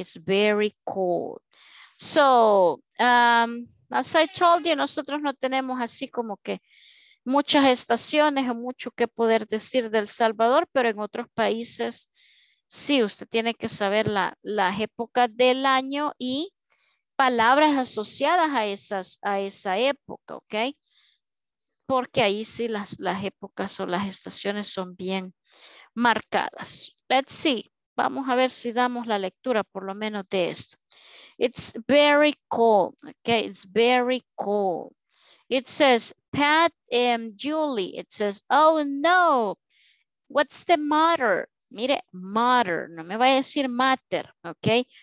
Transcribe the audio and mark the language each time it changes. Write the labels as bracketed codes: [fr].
[en] It's very cold. So, as I told you, [es] nosotros no tenemos así como que muchas estaciones o mucho que poder decir del Salvador, pero en otros países sí, usted tiene que saber las épocas del año y palabras asociadas a esa época, ¿ok? Porque ahí sí las épocas o las estaciones son bien marcadas. [en] Let's see. [es] Vamos a ver si damos la lectura por lo menos de esto. [en] It's very cold, ¿ok? It's very cold. It says, Pat and Julie, it says, oh no, what's the matter? [es] Mire, matter, no me vaya a decir matter, ¿ok?